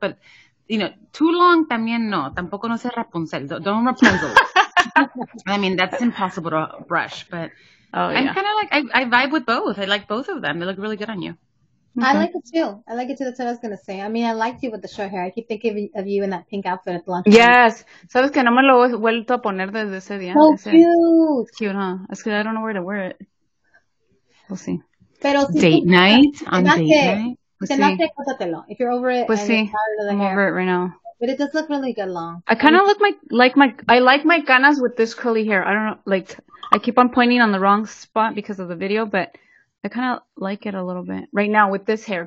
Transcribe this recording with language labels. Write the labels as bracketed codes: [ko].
[en] But you know, too long [es] también no. Tampoco no se [en] Rapunzel. Don't Rapunzel. I mean, that's impossible to brush, but. Oh, I'm kind of like, I vibe with both. I like both of them. They look really good on you. Okay. I like it too. I like it too. That's what I was going to say. I mean, I liked you with the short hair. I keep thinking of you in that pink outfit at the lunch. Yes. [es] ¿Sabes que no me lo he vuelto a poner desde ese día? [en] So cute. Cute, huh? That's because I don't know where to wear it. We'll see. [es] Pero si [en] date night? On date night? If you're over it. We'll see. I'm over it right now. But it does look really good long. I kind of like my canas with this curly hair. I don't know, like, I keep on pointing on the wrong spot because of the video, but I kind of like it a little bit right now with this hair.